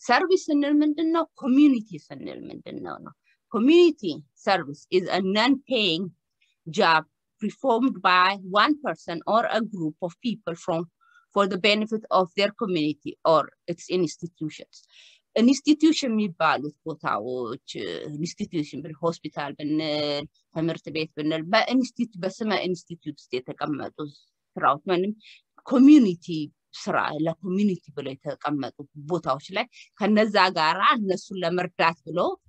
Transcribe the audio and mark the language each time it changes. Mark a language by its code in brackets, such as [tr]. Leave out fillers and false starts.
[am] Service ስንል ምንድን ነው? Community ስንል ምንድን ነው? [en] Community service is a non-paying job performed by one person or a group of people for the benefit of their community or its institutions. [am] An institution የሚባሉት ቦታዎች institution ብንል ሆስፒታል ብንል ትምህርት ቤት ብንል በኢንስቲትዩት በስመ ኢንስቲትዩት ውስጥ የተቀመጡ ስራዎች ወይም ኮሚኒቲ ስራ ለኮሚኒቲ ብለው የተቀመጡ ቦታዎች ላይ ከነዛ ጋር እነሱን ለመርዳት ብሎ